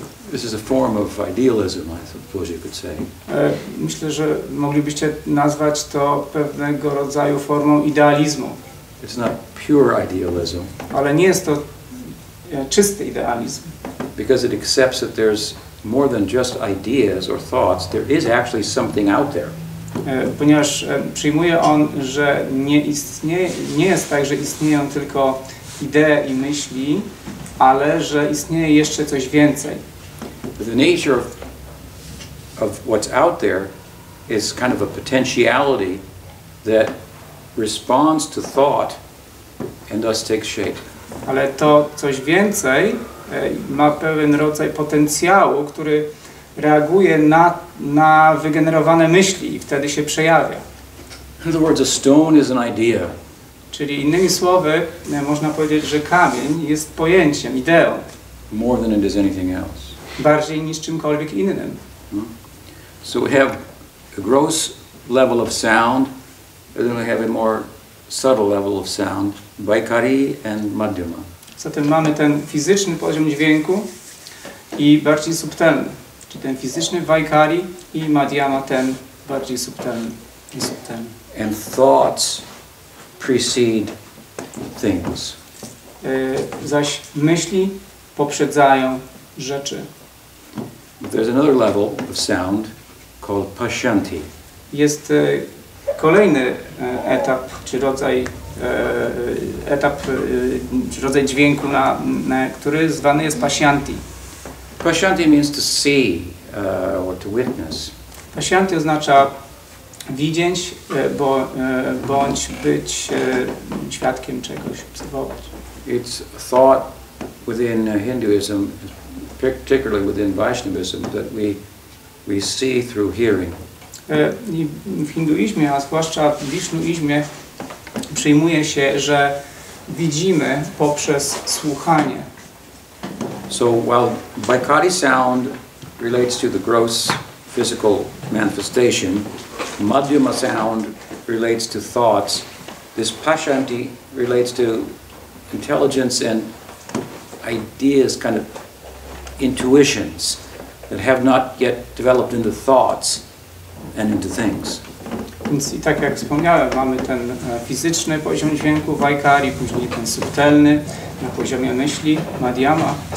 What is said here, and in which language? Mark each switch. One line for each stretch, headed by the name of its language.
English: This is a form of idealism, I suppose you could say.
Polish: Myślę, że moglibyście nazwać to pewnego rodzaju formą idealizmu.
English: It's not pure idealism.
Polish: Ale nie jest to czysty idealizm.
English: Because it accepts that there's more than just ideas or thoughts, there is actually something out there.
Polish: Ponieważ przyjmuje on, że nie jest tak, że istnieją tylko idee i myśli, ale że istnieje jeszcze coś więcej.
English: But the nature of what's out there is kind of a potentiality that responds to thought and thus takes shape.
Polish: Ale to coś więcej ma pewien rodzaj potencjału, który reaguje na wygenerowane myśli i wtedy się przejawia.
English: In other words, a stone is an idea.
Polish: Czyli innymi słowy, można powiedzieć, że kamień jest pojęciem, ideą.
English: more than it is anything else.
Polish: Bardziej niż czymkolwiek innym.
English: So we have a gross level of sound, and then we have a more subtle level of sound, Vaikari and Madhyama.
Polish: Zatem mamy ten fizyczny poziom dźwięku i bardziej subtelny, czyli ten fizyczny Vaikari i Madhyama, ten bardziej subtelny i subtelny.
English: And thoughts precede things.
Polish: Zaś myśli poprzedzają rzeczy.
English: There's another level of sound called Pashyanti.
Polish: Jest kolejny etap, czy rodzaj etap, czy rodzaj dźwięku, na który zwany jest Pashyanti.
English: Pashyanti means to see or to witness.
Polish: Pashyanti oznacza widzieć, bądź być świadkiem czegoś, obserwować.
English: It's thought within Hinduism, particularly within Vaishnavism, that we see through hearing.
Polish: W hinduizmie, a zwłaszcza w wisznuizmie, przyjmuje się, że widzimy poprzez słuchanie.
English: So while Vaikari sound relates to the gross physical manifestation, Madhyama sound relates to thoughts, this Pashyanti relates to intelligence and ideas, kind of intuitions that have not yet developed into thoughts and into things.
Polish: Więc i tak jak wspomniałem, mamy ten fizyczny poziom dźwięku Vaikari, później ten subtelny na poziomie myśli Madhyama.